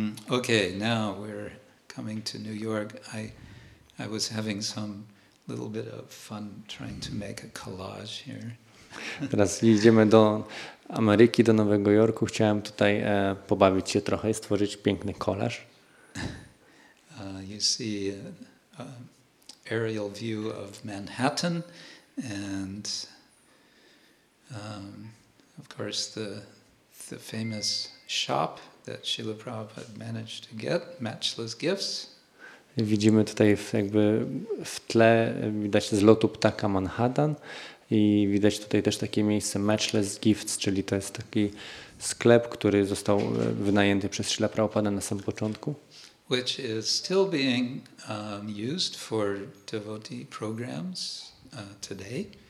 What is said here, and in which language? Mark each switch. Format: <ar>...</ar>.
<en>Okay, now we're coming to New York. I was having some little bit of fun trying to make a collage here.</en> <pl>Teraz idziemy do Ameryki, do Nowego Jorku. Chciałem tutaj pobawić się trochę i stworzyć piękny kolaż.</pl> <en>You see aerial view of Manhattan and of course the famous shop that Srila Prabhupada managed to get, Matchless Gifts.</en> <pl>Widzimy tutaj jakby w tle, widać z lotu ptaka Manhattan i widać tutaj też takie miejsce Matchless Gifts, czyli to jest taki sklep, który został wynajęty przez Srila Prabhupada na samym początku.</pl> <en>Which is still being used for devotee programs today.</en>